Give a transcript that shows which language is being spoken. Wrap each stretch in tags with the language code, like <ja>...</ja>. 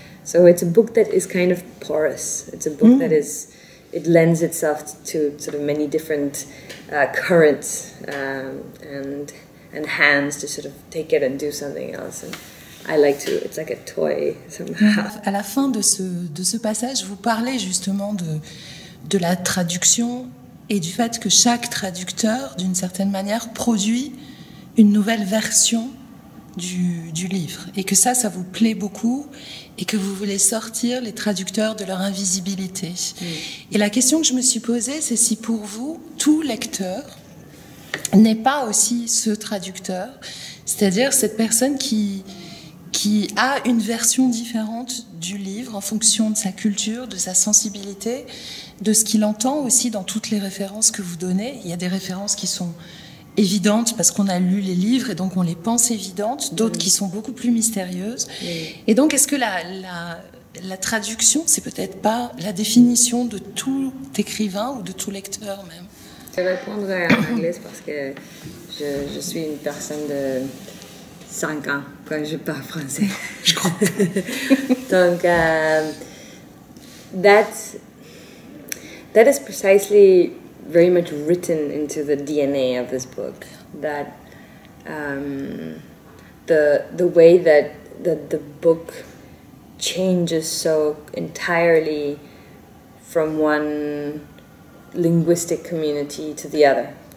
<en>So it's a book that is kind of porous. It's a book that is, it lends itself to sort of many different currents and hands to sort of take it and do something else. And I like to, it's like a toy somehow.</en> <fr>À la fin de ce passage, vous parlez justement de la traduction et du fait que chaque traducteur, d'une certaine manière, produit une nouvelle version du livre et que ça, ça vous plaît beaucoup et que vous voulez sortir les traducteurs de leur invisibilité. Mmh. Et la question que je me suis posée, c'est si pour vous, tout lecteur n'est pas aussi ce traducteur, c'est-à-dire cette personne qui a une version différente du livre en fonction de sa culture, de sa sensibilité, de ce qu'il entend aussi dans toutes les références que vous donnez. Il y a des références qui sont évidentes parce qu'on a lu les livres et donc on les pense évidentes, d'autres qui sont beaucoup plus mystérieuses. Oui. Et donc, est-ce que la traduction, c'est peut-être pas la définition de tout écrivain ou de tout lecteur même? Je vais répondre en anglais parce que je suis une personne de 5 ans quand je parle français. Je crois.</fr> <en>Donc, that is precisely very much written into the DNA of this book, that the way that the book changes so entirely from one linguistic community to the other.</en>